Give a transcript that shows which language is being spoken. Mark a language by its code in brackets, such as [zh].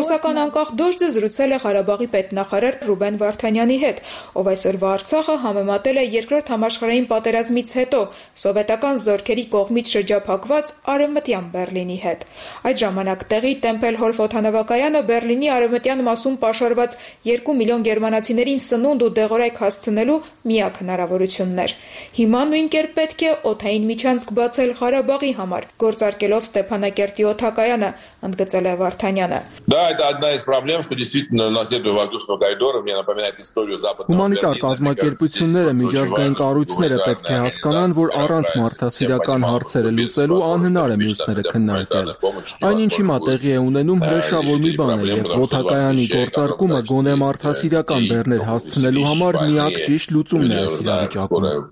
[hy] Ռուսական անկախ դոժձը զրուցել է Ղարաբաղի պետնախարար Ռուբեն Վարդանյանի հետ, ով այսօրվա Արցախը համեմատել է երկրորդ համաշխարհային պատերազմից հետո սովետական զորքերի կողմից շրջափակված արևմտյան Բեռլինի հետ։ Այդ ժամանակ տեղի Տեմպելհոլֆ օդանավակայանը Բեռլինի արևմտյան մասում պաշարված 2 միլիոն գերմանացիներին սնունդ ու դեղորայք հասցնելու միակ հնարավորությունն էր։ Հիմա նույն կերպ պետք է օթային միջանցք բացել Ղարաբաղի համար, գործարկելով Ստեփանակերտի օթակայանը, ընդգծել է Վարդանյանը։ [ru] Да, это одна из проблем, что действительно у нас нет воздушного коридора, мне напоминает историю западного. [hy] Гуманитар կազմակերպությունները, միջազգային կառույցները պետք է հասկանան, որ առանց մարդասիրական հարցերը լուծելու անհնար է մյուսները քննարկել։ Այնինչ հիմա տեղի է ունենում, հրեշավոր մի բան է, եւ օթակայանի գործարկումը գոնե մարդասիրական բեռներ հասցնելու համար միակ ճիշտ լուծումն է այս իրավիճակը։